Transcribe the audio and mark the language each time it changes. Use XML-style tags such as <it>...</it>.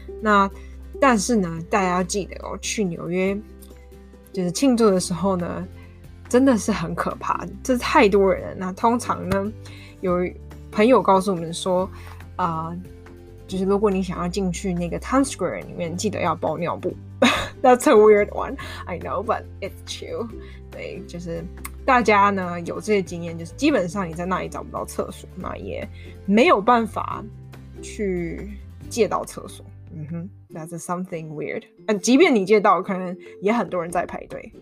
<zh>那但是呢大家要记得哦，去纽约就是庆祝的时候呢真的是很可怕，这是太多人了。那通常呢有朋友告诉我们说就是如果你想要进去那个 Times Square 里面记得要包尿布。</zh> <en>That's a weird one, I know, but it's true.</en> <zh>对，就是大家呢有这些经验，就是基本上你在那里找不到厕所，那也没有办法去借到厕所。</zh> <en>That's something weird.</en> <zh>And 即便你借到，可能也很多人在排队。</zh>